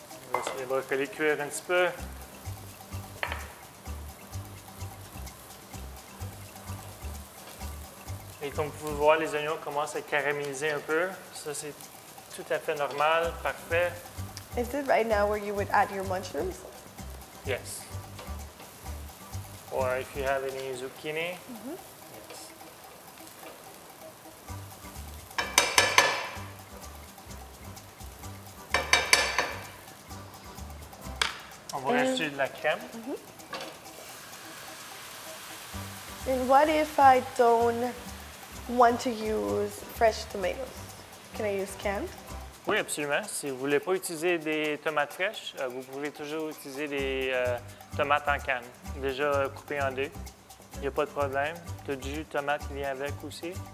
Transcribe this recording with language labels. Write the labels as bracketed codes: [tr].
[fr] On va laisser les brocolis cuire un petit peu. Et comme vous pouvez voir, les oignons commencent à caraméliser un peu. Ça, c'est tout à fait normal, parfait. [en] Is it right now where you would add your mushrooms? Yes. Or if you have any zucchini. Mm-hmm. Yes. [fr] On va rajouter de la crème. Mm-hmm. [en] And what if I don't want to use fresh tomatoes? Can I use canned? [fr] Oui, absolument. Si vous ne voulez pas utiliser des tomates fraîches, vous pouvez toujours utiliser des tomates en canne, déjà coupées en deux. Il n'y a pas de problème. Tu as du jus de tomate qui vient avec aussi.